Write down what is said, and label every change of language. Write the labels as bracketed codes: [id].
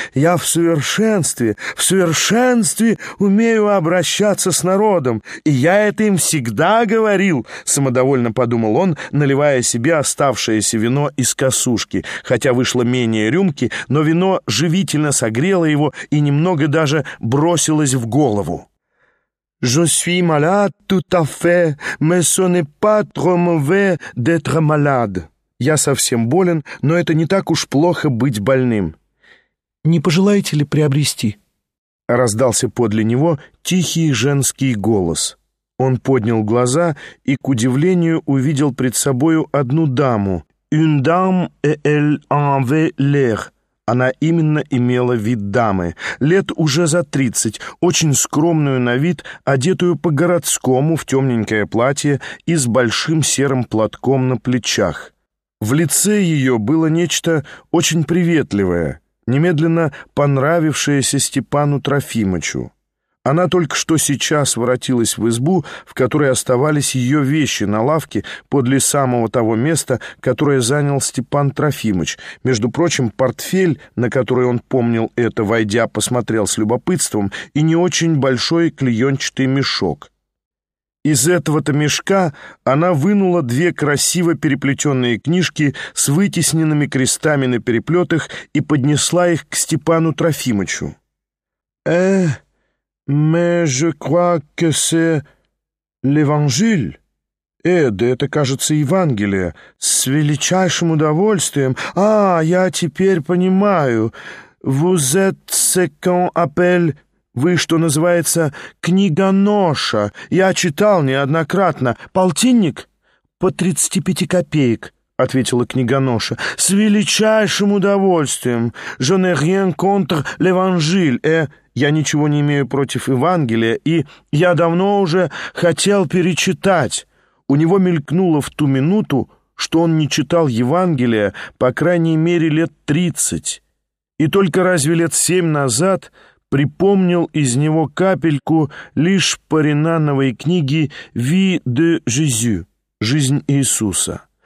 [ru] «Я в совершенстве умею обращаться с народом, и я это им всегда говорил», — самодовольно подумал он, наливая себе оставшееся вино из косушки. Хотя вышло менее рюмки, но вино живительно согрело его и немного даже бросилось в голову. [fr] «Je suis malade tout à fait, mais ce n'est pas trop mauvais d'être malade». [ru] «Я совсем болен, но это не так уж плохо быть больным». «Не пожелаете ли приобрести?» Раздался подле него тихий женский голос. Он поднял глаза и, к удивлению, увидел пред собою одну даму. [fr] «Une dame et elle avait l'air». [ru] Она именно имела вид дамы, лет уже за 30, очень скромную на вид, одетую по-городскому в темненькое платье и с большим серым платком на плечах. В лице ее было нечто очень приветливое, немедленно понравившаяся Степану Трофимычу. Она только что сейчас воротилась в избу, в которой оставались ее вещи на лавке подле самого того места, которое занял Степан Трофимыч. Между прочим, портфель, на который он помнил это, войдя, посмотрел с любопытством, и не очень большой клеенчатый мешок. Из этого-то мешка она вынула две красиво переплетенные книжки с вытесненными крестами на переплетах и поднесла их к Степану Трофимычу. [fr] «Mais je crois que c'est l'Évangile. [ru] Да это, кажется, Евангелие. С величайшим удовольствием. А, я теперь понимаю. [fr] Vous êtes ce qu'on appelle... [ru] Вы, что называется, книгоноша. Я читал неоднократно. Полтинник? По 35 копеек». — ответила книгоноша. — С величайшим удовольствием. [fr] Je n'ai rien contre l'Évangile. [ru] Я ничего не имею против Евангелия, и я давно уже хотел перечитать. У него мелькнуло в ту минуту, что он не читал Евангелия, по крайней мере, 30 лет. И только разве 7 лет назад припомнил из него капельку лишь по ренановой книге «Vie de Jésus» — «Жизнь Иисуса».